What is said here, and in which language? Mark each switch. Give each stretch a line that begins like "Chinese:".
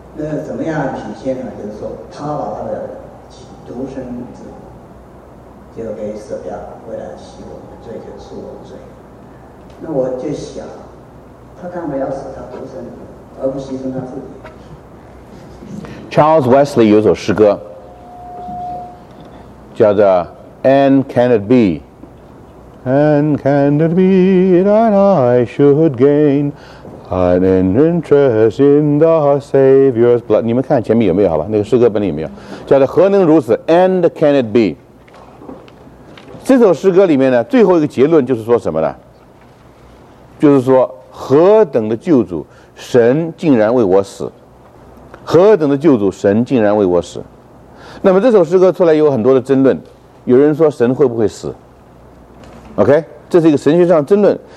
Chinese: 那怎么样体现呢？就是说，他把他的独生子就给舍掉，为了洗我们的罪，就赎我们的罪。那我就想，他干嘛要死他独生子，而不牺牲他自己？Charles Wesley 有首诗歌，叫做。
English: And can it be? And can it be that I should gain an interest in the Savior's blood?
Chinese: 你们看前面有没有？好吧，那个诗歌本里有没有？叫做何能如此 ？
English: And can it be?
Chinese: 这首诗歌里面呢，最后一个结论就是说什么呢？就是说何等的救主，神竟然为我死！何等的救主，神竟然为我死！那么这首诗歌出来有很多的争论。有人说神会不会死 ？OK， 这是一个神学上争论。